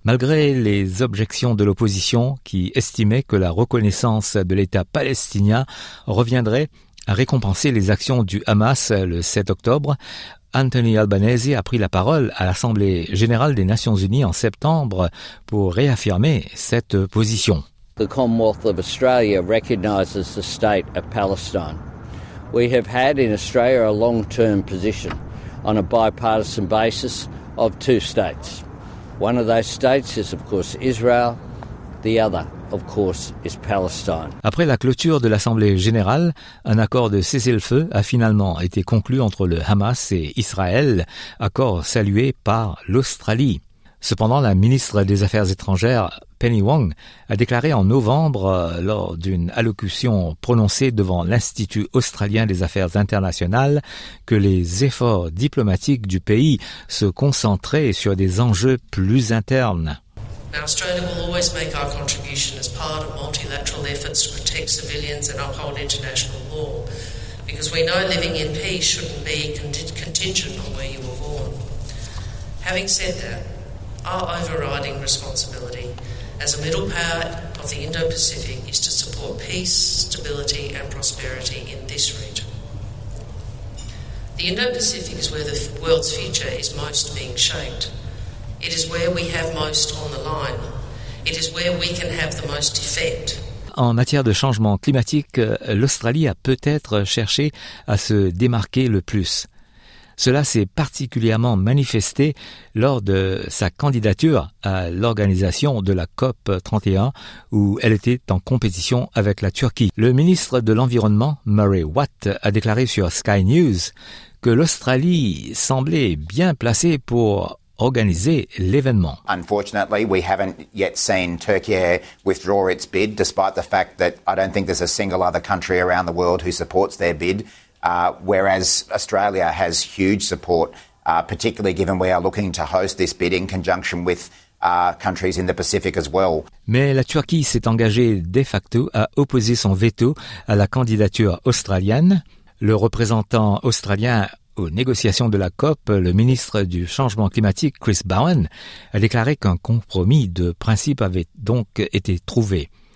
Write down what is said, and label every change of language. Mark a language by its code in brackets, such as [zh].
[fr] Malgré les objections de l'opposition qui estimait que la reconnaissance de l'État palestinien reviendrait a récompensé les actions du Hamas le 7 octobre. Anthony Albanese a pris la parole à l'Assemblée générale des Nations unies en septembre pour réaffirmer cette position. [en] The Commonwealth of Australia recognises the state of Palestine. We have had in Australia a long-term position on a bipartisan basis of two states. One of those states is, of course, Israel. The other, of course, is Palestine. [fr] Après la clôture de l'Assemblée générale, un accord de cessez-le-feu a finalement été conclu entre le Hamas et Israël, accord salué par l'Australie. Cependant, la ministre des Affaires étrangères, Penny Wong, a déclaré en novembre, lors d'une allocution prononcée devant l'Institut australien des affaires internationales, que les efforts diplomatiques du pays se concentraient sur des enjeux plus internes. [en] Now, Australia will always make our contribution as part of multilateral efforts to protect civilians and uphold international law, because we know living in peace shouldn't be contingent on where you were born. Having said that, our overriding responsibility as a middle power of the Indo-Pacific is to support peace, stability and prosperity in this region. The Indo-Pacific is where the world's future is most being shaped. It is where we have most on the line. It is where we can have the most effect. [fr] En matière de changement climatique, l'Australie a peut-être cherché à se démarquer le plus. Cela s'est particulièrement manifesté lors de sa candidature à l'organisation de la COP31 où elle était en compétition avec la Turquie. Le ministre de l'Environnement, Murray Watt, a déclaré sur Sky News que l'Australie semblait bien placée pour organiser l'événement. [en] Unfortunately, we haven't yet seen Turkey withdraw its bid, despite the fact that I don't think there's a single other country around the world who supports their bid. Whereas Australia has huge support, particularly given we are looking to host this bid in conjunction with countries in the Pacific as well. [fr] Mais la Turquie s'est engagée de facto à opposer son veto à la candidature australienne. Le représentant australien aux négociations de la COP, le ministre du changement climatique Chris Bowen, a déclaré qu'un compromis de principe avait donc été trouvé.